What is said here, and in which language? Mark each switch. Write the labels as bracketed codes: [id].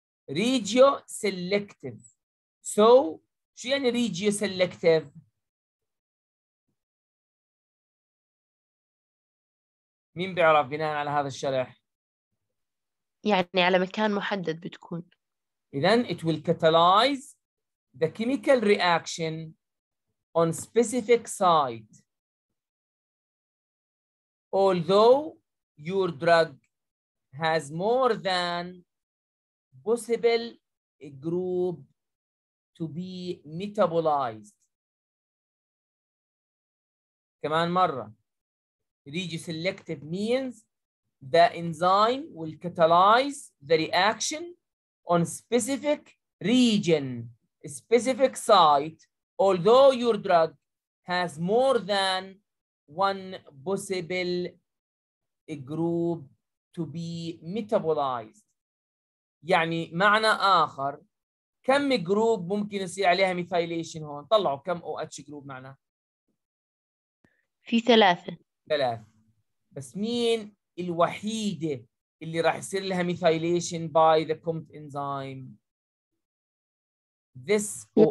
[ar] ريجيو سيلكتيف. سو شو يعني ريجيو سيلكتيف؟ مين بيعرف بناء على هذا الشرح؟ يعني على مكان محدد بتكون. إذن [en] it will catalyze the chemical reaction on specific site although your drug has more than possible group to be metabolized. [ar] كمان مرة، [en] Regio selective means the enzyme will catalyze the reaction on specific region, specific site, although your drug has more than one possible group to be metabolized. [ar] يعني معنى آخر، كم group ممكن يصير عليها methylation هون؟ طلعوا كم OH group معنا؟ في ثلاثة. ثلاث، بس مين الوحيدة اللي راح يصير لها [en] methylation by the COMT enzyme؟ This